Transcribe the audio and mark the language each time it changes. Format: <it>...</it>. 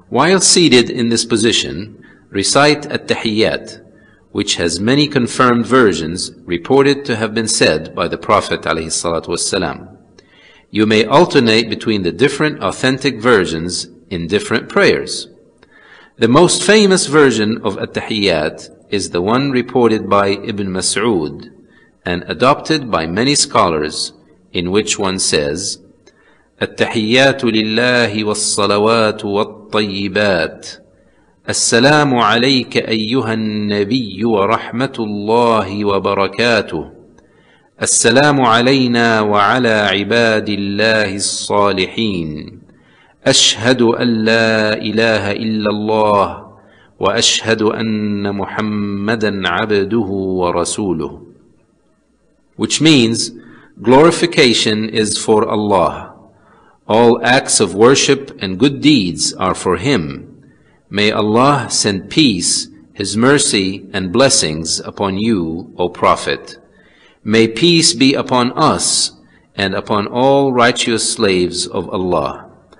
<en>While seated in this position, recite At-Tahiyyat, which has many confirmed versions reported to have been said by the Prophet ﷺ. You may alternate between the different authentic versions in different prayers. The most famous version of At-Tahiyyat is the one reported by Ibn Mas'ud and adopted by many scholars, in which one says,</en> <ar>التحيات لله والصلوات والطيبات السلام عليك أيها النبي ورحمة الله وبركاته السلام علينا وعلى عباد الله الصالحين أشهد أن لا إله إلا الله وأشهد أن محمدا عبده ورسوله.</ar> <en>Which means, glorification is for Allah. All acts of worship and good deeds are for Him. May Allah send peace, His mercy, and blessings upon you, O Prophet. May peace be upon us and upon all righteous slaves of Allah.</en>